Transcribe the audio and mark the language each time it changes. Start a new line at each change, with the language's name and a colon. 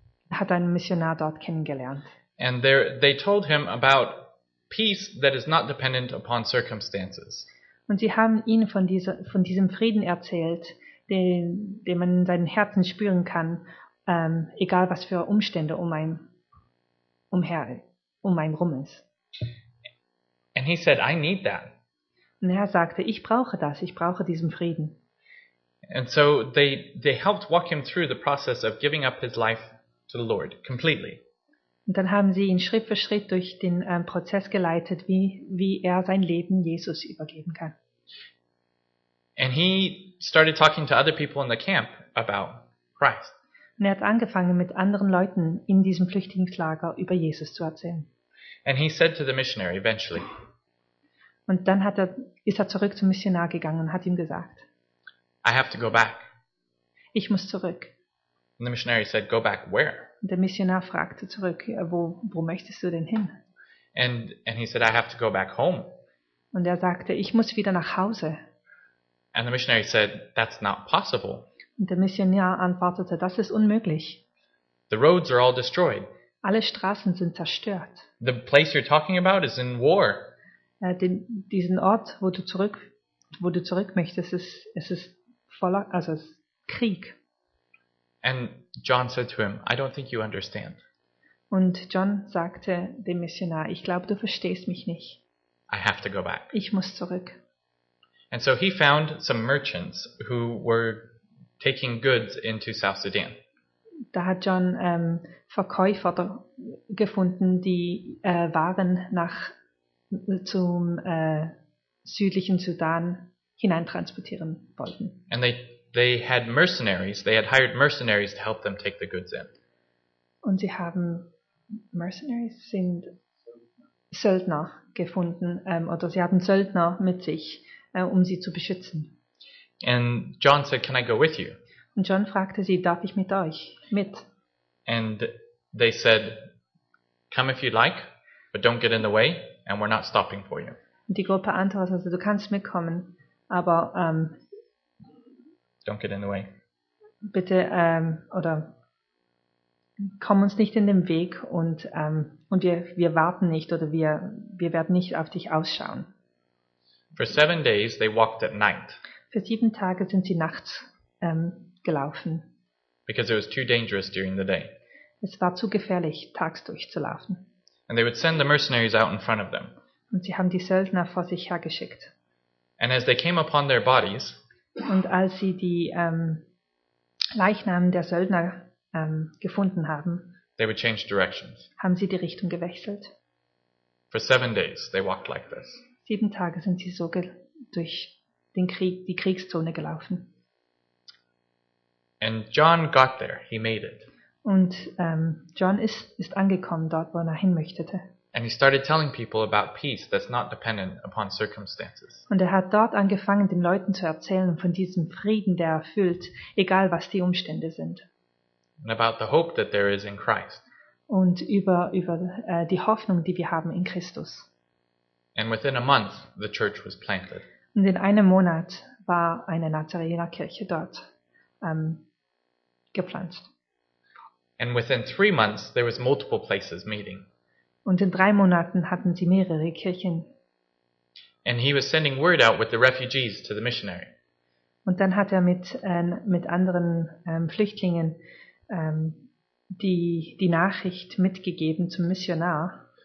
German: Hat einen Missionar dort kennengelernt.
English: And they told him about peace that is not dependent upon circumstances.
German: Und sie haben ihn von diesem Frieden erzählt, den man in seinem Herzen spüren kann, egal was für Umstände um einen rum ist.
English: And he said, I need that.
German: Und er sagte, ich brauche das, ich brauche diesen Frieden.
English: And so they helped walk him through the process of giving up his life to the Lord completely.
German: Und dann haben sie ihn Schritt für Schritt durch den Prozess geleitet, wie er sein Leben Jesus übergeben kann.
English: And he started talking to other people in the camp about Christ.
German: Und er hat angefangen, mit anderen Leuten in diesem Flüchtlingslager über Jesus zu erzählen.
English: And he said to the missionary eventually,
German: und dann ist er zurück zum Missionar gegangen und hat ihm gesagt,
English: I have to go back.
German: Ich muss zurück.
English: And the missionary said, go back where?
German: Der Missionar fragte zurück, wo möchtest du denn hin?
English: And he said, I have to go back home.
German: Und er sagte, ich muss wieder nach Hause.
English: And the missionary said, that's not possible.
German: Und der Missionar antwortete, das ist unmöglich.
English: The roads are all destroyed.
German: Alle Straßen sind zerstört.
English: The place you're talking about is in war.
German: Diesen Ort, wo du zurück wo du zurück möchtest, es ist voller, also es ist Krieg.
English: And John said to him, I don't think you understand.
German: Und John sagte dem Missionar, ich glaube, du verstehst mich nicht.
English: I have to go back.
German: Ich muss zurück.
English: And so he found some merchants who were taking goods into South Sudan.
German: Da hat John Verkäufer gefunden, die Waren nach zum südlichen Sudan hineintransportieren wollten.
English: And they had mercenaries. They had hired mercenaries to help them take the goods in.
German: Und sie haben Mercenaries sind Söldner gefunden, oder sie haben Söldner mit sich, um sie zu beschützen.
English: And John said, "Can I go with you?"
German: Und John fragte sie, darf ich mit euch mit?
English: And they said, "Come if you like, but don't get in the way, and we're not stopping for you."
German: Und die Gruppe antwortete, also, du kannst mitkommen, aber
English: don't get in the way.
German: Bitte oder komm uns nicht in den Weg und wir warten nicht oder wir werden nicht auf dich ausschauen.
English: For 7 days they walked at night.
German: Für 7 Tage sind sie nachts gelaufen.
English: Because it was too dangerous during the day.
German: Es war zu gefährlich, tags durchzulaufen.
English: And they would send the mercenaries out in front of them.
German: Und sie haben die Söldner vor sich hergeschickt.
English: And as they came upon their bodies,
German: und als sie die Leichnamen der Söldner gefunden haben,
English: they would change directions.
German: Haben sie die Richtung gewechselt.
English: For 7 days they walked like this.
German: 7 Tage sind sie so durch den Krieg, die Kriegszone gelaufen.
English: And John got there. He made it.
German: Und John ist angekommen dort, wo er hin möchte.
English: And he started telling people about peace that's not dependent upon circumstances.
German: Und hat dort angefangen, den Leuten zu erzählen von diesem Frieden, der erfüllt, egal was die Umstände sind.
English: And about the hope that there is in Christ.
German: Und über die Hoffnung, die wir haben in Christus.
English: And within a month, the church was planted.
German: Und in einem Monat war eine Nazarener Kirche dort gepflanzt.
English: And within 3 months, there was multiple places meeting.
German: Und in 3 Monaten hatten sie mehrere Kirchen.
English: And he was sending word out with the refugees to the missionary.
German: Und dann hat mit anderen Flüchtlingen die Nachricht mitgegeben zum Missionar.